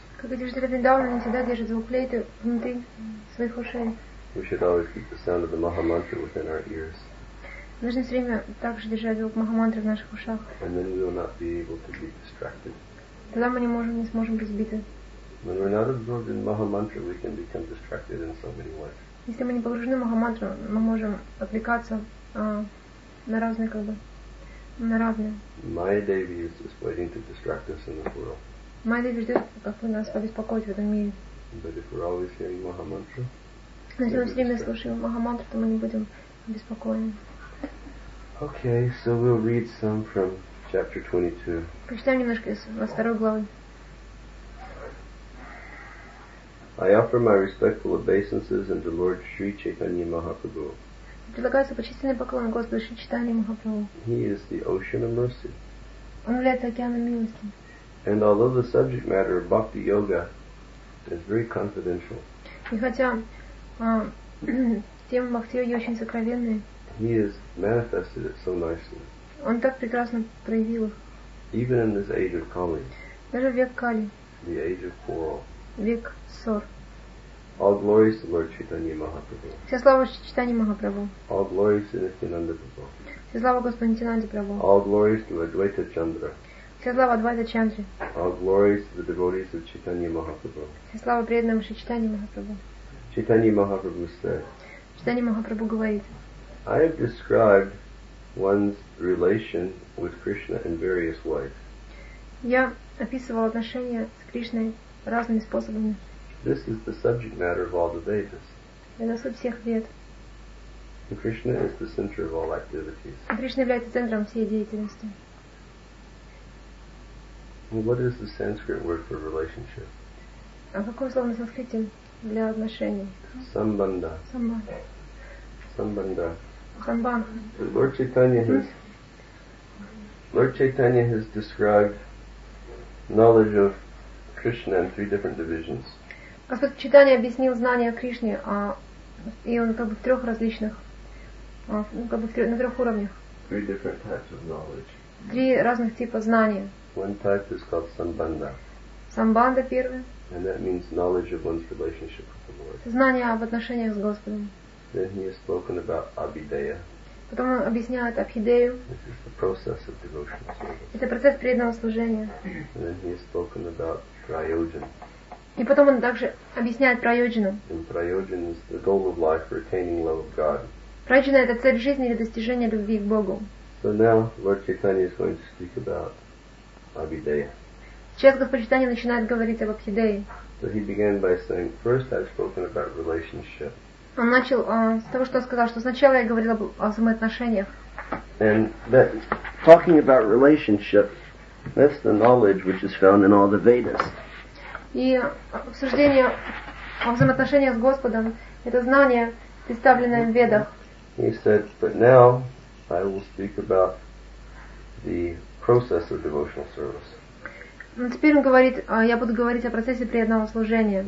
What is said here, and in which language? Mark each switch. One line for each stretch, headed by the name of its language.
Russian: Как эти жители Вриндавана, они всегда держат звук флейты внутри своих ушей.
English: We should always keep the sound of the Maha Mantra within our ears.
Russian: Нужно все время также держать звук Маха Мантры в наших ушах.
English: And then we will not be able to be distracted.
Russian: Тогда мы не сможем быть сбиты.
English: When we're not absorbed in Maha Mantra, we can become distracted in so many ways.
Russian: Если мы не погружены в Маха Мантру, мы можем отвлекаться на разные как бы.
English: Maya Devi is just waiting to distract us in this world.
Russian: Maya Devi ждет, как бы нас побеспокоить в этом мире.
English: But if we're always hearing Maha Mantra,
Russian: если мы все время слушаем Маха Мантру, то мы не будем обеспокоены.
English: Okay, so we'll read some from chapter 22.
Russian: Прочитаем немножко из 22 главы.
English: I offer my respectful obeisances unto Lord Sri Chaitanya Mahaprabhu.
Russian: Предлагается почтительный поклон Господу Шри Чайтанья Махапрабху.
English: He is the ocean of mercy.
Russian: Он является океаном милости.
English: And although the subject matter of Bhakti Yoga is very confidential,
Russian: и хотя тема Бхакти Йоги очень сокровенная,
English: he has manifested it so nicely.
Russian: Он так прекрасно проявил их.
English: Even in this age of Kali,
Russian: даже в век Кали,
English: the age of quarrel,
Russian: век ссор.
English: All glories to Lord Chaitanya Mahaprabhu.
Russian: Вся слава Шри Чайтанье Махапрабху.
English: All glories to Нитьянанда Прабху.
Russian: Вся слава Господу Нитьянанде Прабху.
English: All glories to Advaita Chandra.
Russian: Вся слава Адвайта Чандре.
English: All glories to the devotees of Chaitanya Mahaprabhu.
Russian: Вся слава преданным Шри Чайтанье Махапрабху.
English: Chaitanya Mahaprabhu said.
Russian: Чайтанье Махапрабху говорит.
English: I have described one's relation with Krishna in various ways.
Russian: Я описывал отношения с Кришной разными способами.
English: This is the subject matter of all the Vedas.
Russian: Это суть всех Вед.
English: And Krishna is the center of all activities.
Russian: Кришна является центром всей деятельности.
English: Well, what is the Sanskrit word for relationship?
Russian: А какое слово на санскрите для отношений?
Sanskrit: Sambandha. Sambandha. Sambandha. Sambandha.
English: Lord Chaitanya has described knowledge of Krishna in three different divisions.
Russian: Господь Чайтанья объяснил знания о Кришне, и он как бы в трех различных, как бы на трех уровнях.
English: Three different types of knowledge.
Russian: Три разных типа знания.
English: One type is called Sambandha.
Russian: Sambandha первый.
English: And that means knowledge of one's relationship with the Lord.
Russian: Знание об отношениях с Господом.
English: Then he has spoken about Abhideya.
Russian: Потом он объясняет Абхидею.
English: This is the process of devotional service.
Russian: Это процесс преданного служения.
English: And then he has spoken about Prayojan.
Russian: И потом он также объясняет прайоджану.
English: And prayojan is the goal of life, retaining love of God.
Russian: Прайоджана — это цель жизни или достижение любви к Богу.
English: So now Lord Chaitanya is going to speak about Abhideya.
Russian: Сейчас Господь Чайтанья начинает говорить об Абхидее.
English: So he began by saying, first I've spoken about relationship.
Russian: Он начал с того, что сказал, что сначала я говорил о взаимоотношениях.
English: And that talking about relationship, that's the knowledge which is found in all the Vedas.
Russian: И обсуждение о взаимоотношениях с Господом — это знание, представленное в Ведах.
English: He said, but now I will speak about the process of devotional service.
Russian: Но теперь он говорит, я буду говорить о процессе преданного служения.